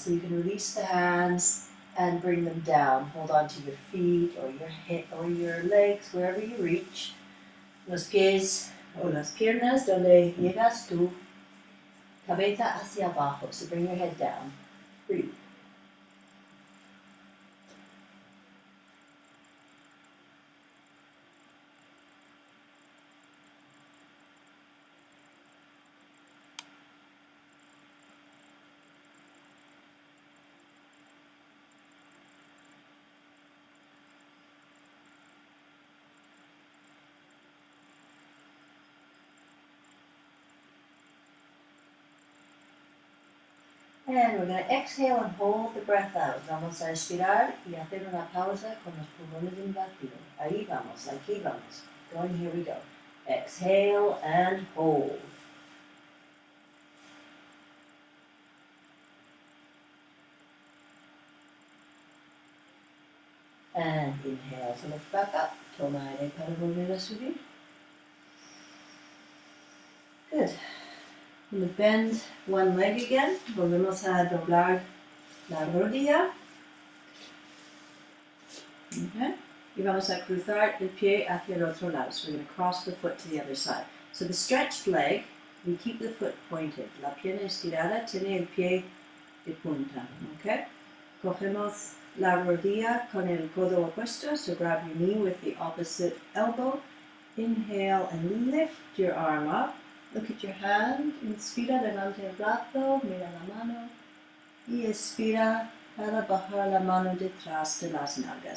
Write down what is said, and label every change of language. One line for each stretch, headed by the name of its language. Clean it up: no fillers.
English: So you can release the hands and bring them down. Hold on to your feet or your hip or your legs, wherever you reach.
Spanish: Los pies o las piernas, donde llegas tú. Cabeza hacia abajo.
English: So bring your head down. Breathe. And we're going to exhale and hold the breath out.
Spanish: Vamos a respirar y hacer una pausa con los pulmones en vacío. Ahí vamos, aquí vamos.
English: Going, here we go. Exhale and hold. And inhale to lift back up.
Spanish: Toma aire para volver a subir.
English: Good. We'll bend one leg again.
Spanish: Volvemos a doblar la rodilla.
English: Okay.
Spanish: Y vamos a cruzar el pie hacia el otro lado.
English: So we're going to cross the foot to the other side. So the stretched leg, we keep the foot pointed.
Spanish: La pierna estirada tiene el pie de punta. Okay. Cogemos la rodilla con el codo opuesto.
English: So grab your knee with the opposite elbow. Inhale and lift your arm up. Look at your hand,
Spanish: inspira delante del brazo, mira la mano, y expira para bajar la mano detrás de las nalgas.